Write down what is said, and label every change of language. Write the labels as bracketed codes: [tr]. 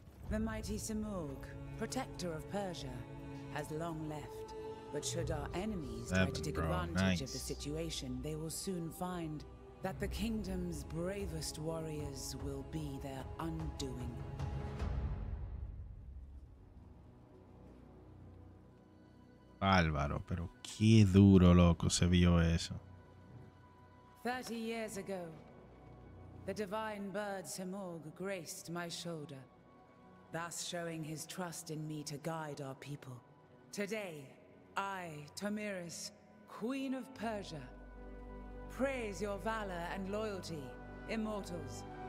[en] The mighty Samurg, protector of Persia, has long left. But should our enemies try to take advantage of the situation, they will soon find that the kingdom's bravest warriors will be their undoing. [es] Álvaro, pero qué duro, loco, se vio eso. [en] 30 years ago, the divine bird Samurg graced my shoulder, thus showing his trust in me to guide our people. Today, I, Tomiris, Queen of Persia, praise your valor and loyalty, immortals.